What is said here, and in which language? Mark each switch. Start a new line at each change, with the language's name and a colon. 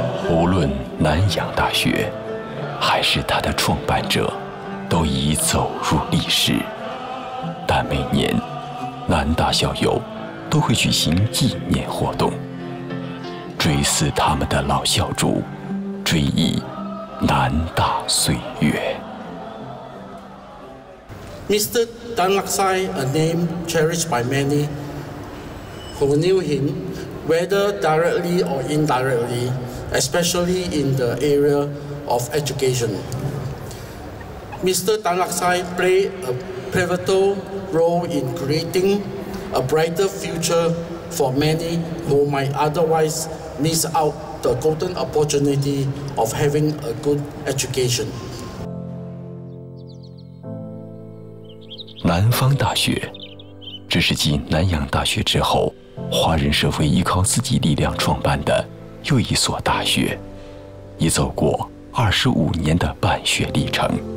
Chinese: 无论南洋大学还是它的创办者都已走入历史，但每年南大校友都会举行纪念活动，追思他们的老校主，追忆南大岁月。
English: Mr. Dan Lark Sye, a name cherished by many who knew him, whether directly or indirectly, especially in the area of education. Mr. Dan Lark Sye played a pivotal role in creating a brighter future for many who might otherwise miss out the golden opportunity of having a good education.
Chinese: 南方大学，这是继南洋大学之后，华人社会依靠自己力量创办的又一所大学，已走过25年的办学历程。